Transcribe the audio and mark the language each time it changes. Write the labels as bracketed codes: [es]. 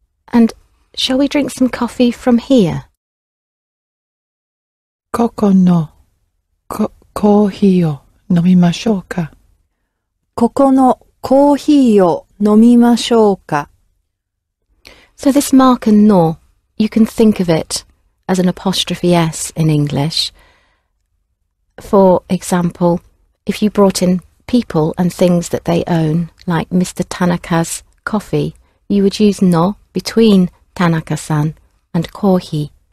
[en] And shall we drink some coffee from here? [ja] ここのコーヒーを飲みましょうか? ここのコーヒーを飲みましょうか? [en] So this mark and no, you can think of it as an apostrophe S in English. For example, if you brought in people and things that they own, like Mr. Tanaka's coffee, you would use no between Tanaka-san and kōhi.